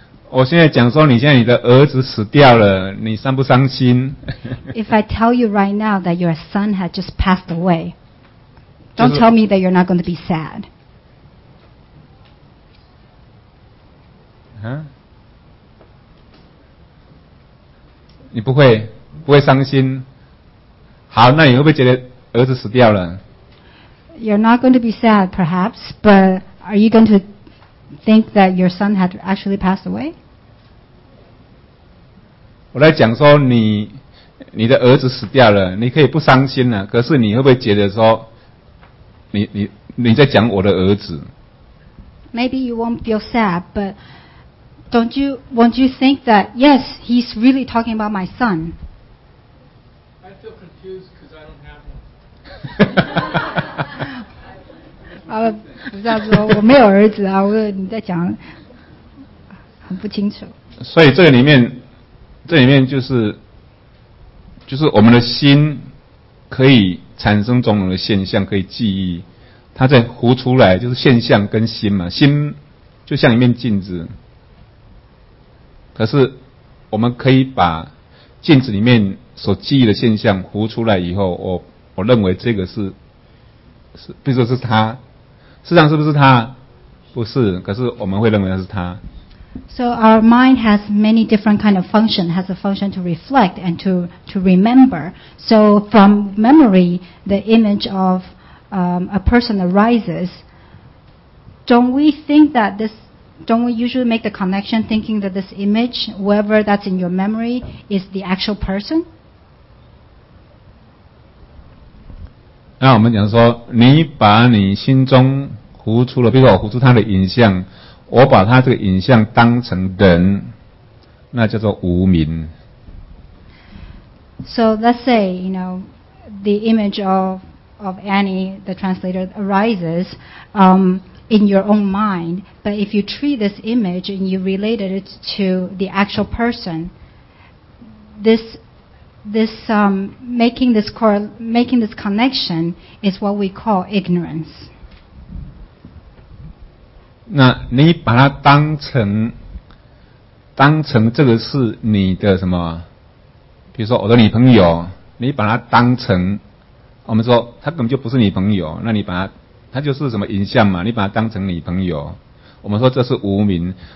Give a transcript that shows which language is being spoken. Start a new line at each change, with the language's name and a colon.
Chinese: 我现在讲说，你现在你的儿子死掉了，你伤不伤心
English: ？If I tell you right now that your son had just passed away, don't tell me that you're not going to be sad. 啊？
Chinese: 你不会伤心？好，那你会不会觉得儿子死掉了？
English: You're not going to be sad, perhaps, but are you going to think that your son had actually passed away?
Chinese: 我在讲说你的儿子死掉了，你可以不伤心了，可是你会不会觉得说你在讲我的儿子？
English: Maybe you won't feel sad, but won't you think that, yes, he's really talking about my son? I feel confused because I don't have one.
Chinese: 不知道说我没有儿子啊，我你在讲，很不清楚。所以这里面就是我们的心可以产生种种的现象，可以记忆，它在浮出来，就是现象跟心嘛，心就像一面镜子，可是我们可以把镜子里面所记忆的现象浮出来以后，我认为这个是比如说是他。事实上是不是他？不是，可是我们会认为是他。
English: So our mind has many different kind of function, has a function to reflect and to remember. So from memory, the image of a person arises. Don't we usually make the connection thinking that this image, whoever that's in your memory, is the actual person?
Chinese: 那我们讲说，你把你心中浮出了，比如说我浮出他的影像，我把他这个影像当成人，那叫做无明。
English: So let's say, you know, the image of Annie, the translator, arises in your own mind. But if you treat this image and you relate it to the actual person, making this connection is what we call ignorance.
Chinese: 那你把它当成这个是你的什么，比如说我的女朋友，你把它当成，我们说他根本就不是女朋友，那你把他就是什么影像嘛，你把它当成女朋友，我们说这是无明。